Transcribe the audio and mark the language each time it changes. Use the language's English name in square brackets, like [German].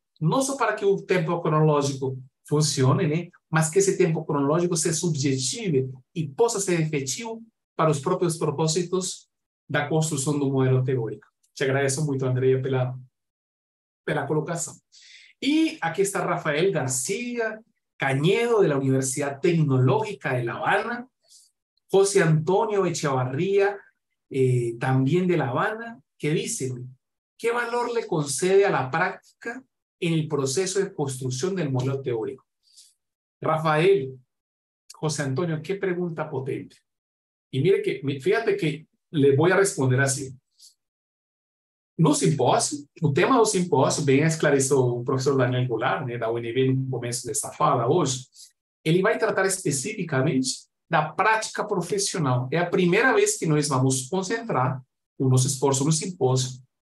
[Portuguese] Não só para que o tempo cronológico funcione, né? Mas que esse tempo cronológico seja subjetivo e possa ser efetivo para os próprios propósitos da construção do modelo teórico. Te agradeço muito, Andrea, pela colocação. E aqui está [Spanish] Rafael Garcia Cañedo, de la Universidad Tecnológica de La Habana, José Antonio Echevarría, también de La Habana, que dice, ¿qué valor le concede a la práctica en el proceso de construcción del modelo teórico? Rafael, José Antonio, qué pregunta potente. Y mire que, fíjate que le voy a responder así. [Portuguese] No simpósio, o tema do simpósio, bem esclarecido o professor Daniel Goulart, né, da UNB, no começo dessa fala hoje, ele vai tratar especificamente da prática profissional. É a primeira vez que nós vamos concentrar o nosso esforço no simpósio.